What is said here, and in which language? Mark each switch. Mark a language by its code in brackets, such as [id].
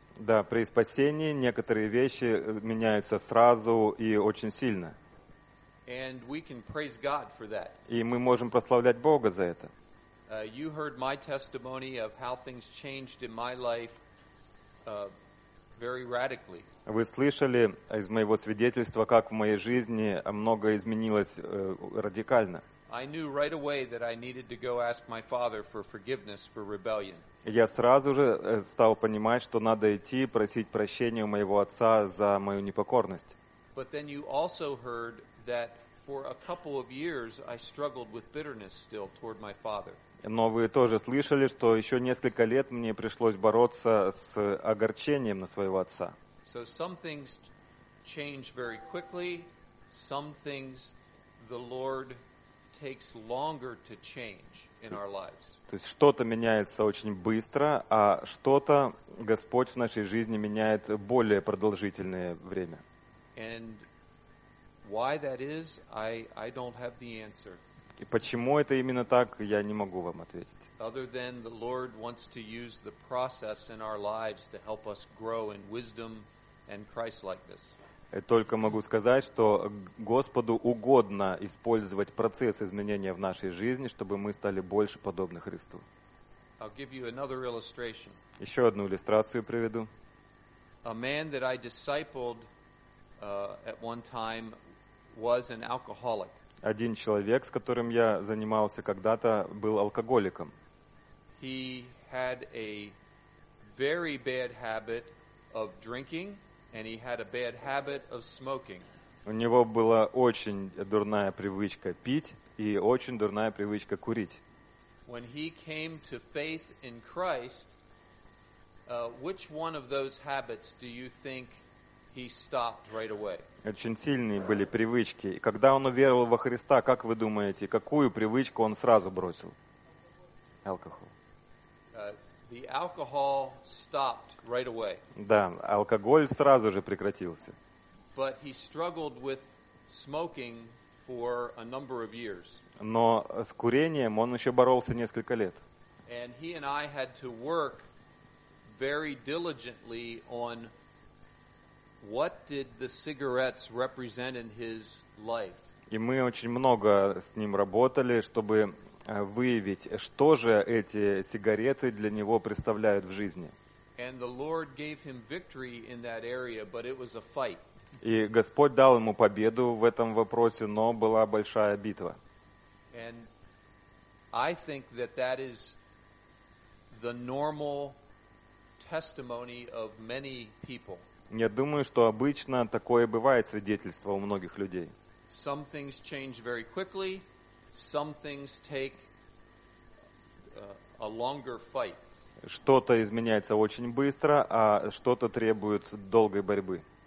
[ru] Да, при спасении некоторые вещи меняются сразу и очень сильно. [en] And we can praise God for that. [ru] И мы можем прославлять Бога за это. [en] You heard my testimony of how things changed in my life very radically. [ru] Вы слышали из моего свидетельства, как в моей жизни многое изменилось радикально. [en] I knew right away that I needed to go ask my father for forgiveness for rebellion. [ru] Я сразу же стал понимать, что надо идти просить прощения у моего отца за мою непокорность. [en] But then you also heard that for a couple of years I struggled with bitterness still toward my father. [ru] Но вы тоже слышали, что еще несколько лет мне пришлось бороться с огорчением на своего отца. [en] So some things change very quickly, some things the Lord takes longer to change in our lives. [ru] То есть что-то меняется очень быстро, а что-то Господь в нашей жизни меняет более продолжительное время. [en] And why that is, I don't have the answer. [ru] И почему это именно так, я не могу вам ответить. [en] Other than the Lord wants to use the process in our lives to help us grow in wisdom and Christ-likeness. [ru] Я только могу сказать, что Господу угодно использовать процесс изменения в нашей жизни, чтобы мы стали больше подобны Христу. [en] I'll give you another illustration. [ru] Еще одну иллюстрацию приведу. [en] A man that I discipled at one time was an alcoholic. [ru] Один человек, с которым я занимался когда-то, был алкоголиком. [en] He had a very bad habit of drinking. And he had a bad habit of smoking. [ru] У него была очень дурная привычка пить и очень дурная привычка курить. [en] When he came to faith in Christ, which one of those habits do you think he stopped right away? [ru] Очень сильные были привычки. И когда он уверовал во Христа, как вы думаете, какую привычку он сразу бросил? Алкоголь. [en] The alcohol stopped right away. [ru] Да, алкоголь сразу же прекратился. [en] But he struggled with smoking for a number of years. [ru] Но с курением он еще боролся несколько лет. [en] And he and I had to work very diligently on what did the cigarettes represent in his life. [ru] И мы очень много с ним работали, чтобы выявить, что же эти сигареты для него представляют в жизни. [en] And the Lord gave him victory in that area, but it was a fight. [ru] И Господь дал ему победу в этом вопросе, но была большая битва. [en] And I think that that is the normal testimony of many people. [ru] Я думаю, что обычно такое бывает свидетельство у многих людей. [en] Some things change very quickly. Some things take a longer fight. [ru] Что-то изменяется очень быстро, а что-то требует долгой борьбы.